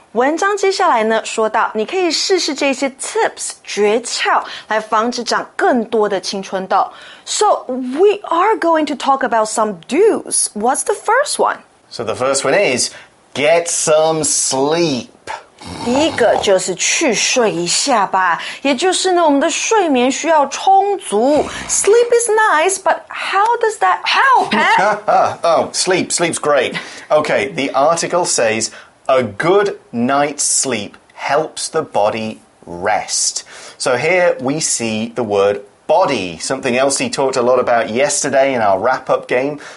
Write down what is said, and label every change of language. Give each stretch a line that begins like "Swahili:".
Chinese: 文章接下来呢说到，你可以试试这些 tips 诀窍来防止长更多的青春痘。
English: So we are going to talk about some do's. What's the first one? So the first one is get some sleep.
Chinese: 第一个就是去睡一下吧，也就是呢，我们的睡眠需要充足。
English: Sleep is nice, but how does that help? sleep's great. Okay, the article says a good night's sleep helps the body rest. So here we see the word body, something else he talked a lot about yesterday in our wrap-up game.